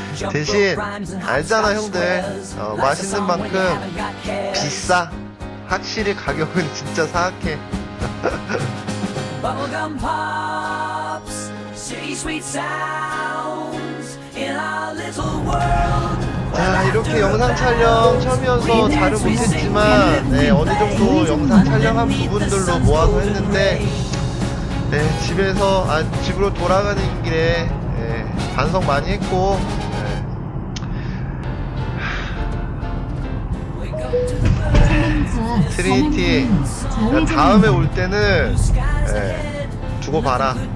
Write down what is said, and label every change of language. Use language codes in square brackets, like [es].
[ko] 대신 알잖아 형들, 맛있는 만큼 비싸. 확실히 가격은 진짜 사악해. [en] Bubblegum pops, city sweet sounds in our little world. [ko] 자, 이렇게 영상 촬영 처음이어서 잘은 못했지만, 네, 어느 정도 영상 촬영한 부분들로 모아서 했는데, 네, 집에서, 아, 집으로 돌아가는 길에, 네, 반성 많이 했고, 트리니티, 다음에 올 때는, 예, 두고 봐라.